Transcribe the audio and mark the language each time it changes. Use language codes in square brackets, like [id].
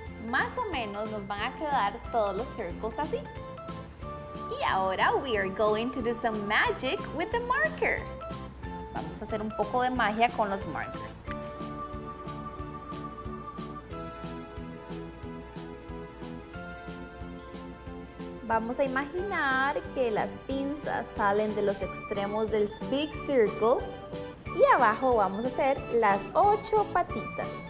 [es] Más o menos nos van a quedar todos los circles así. Y ahora [en] we are going to do some magic with the marker. [es] Vamos a hacer un poco de magia con los markers. Vamos a imaginar que las pinzas salen de los extremos del big circle y abajo vamos a hacer las 8 patitas.